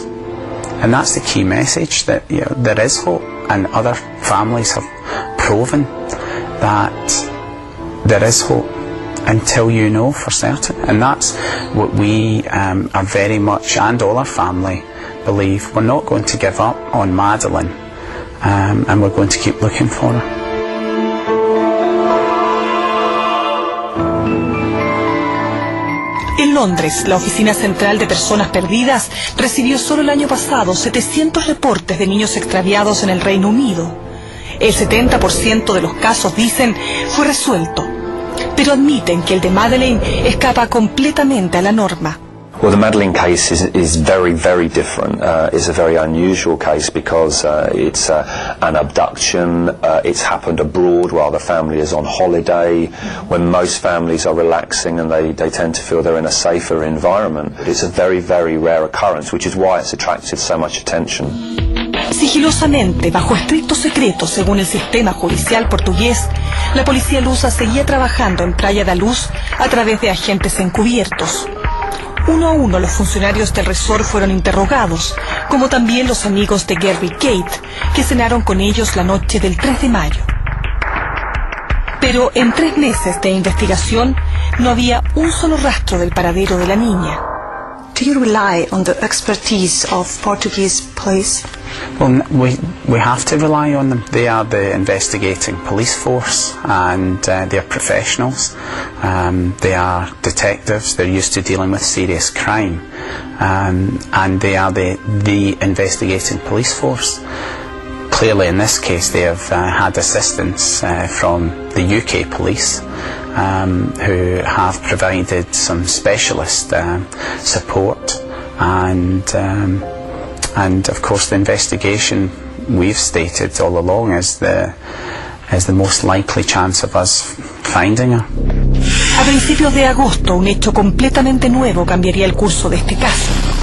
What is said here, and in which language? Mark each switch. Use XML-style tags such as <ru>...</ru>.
<en>And that's the key message, that you know, there is hope, and other families have proven that there is hope until you know for certain. And that's what we are very much, and all our family, believe. We're not going to give up on Madeleine, and we're going to keep looking for her.</en> <es>En Londres, la Oficina Central de Personas Perdidas recibió solo el año pasado 700 reportes de niños extraviados en el Reino Unido. El 70% de los casos, dicen, fue resuelto. Pero admiten que el de Madeleine escapa completamente a la norma.</es> <en>Well, the Madeleine case is very, very different. It's a very unusual case because it's an abduction. It's happened abroad while the family is on holiday, when most families are relaxing and they tend to feel they're in a safer environment. It's a very, very rare occurrence, which is why it's attracted so much attention.</en> <es>Sigilosamente, bajo estricto secreto, según el sistema judicial portugués, la policía lusa seguía trabajando en Praia da Luz a través de agentes encubiertos. Uno a uno los funcionarios del resort fueron interrogados, como también los amigos de Gerry y Kate, que cenaron con ellos la noche del 3 de mayo. Pero en tres meses de investigación, no había un solo rastro del paradero de la niña.</es> <en>Do you rely on the expertise of Portuguese police? Well, we have to rely on them. They are the investigating police force, and they are professionals. They are detectives. They're used to dealing with serious crime. And they are the investigating police force. Clearly, in this case, they have had assistance from the UK police, who have provided some specialist support, and of course the investigation we've stated all along is the most likely chance of us finding her.</en> <es>A principios de agosto, un hecho completamente nuevo cambiaría el curso de este caso.</es>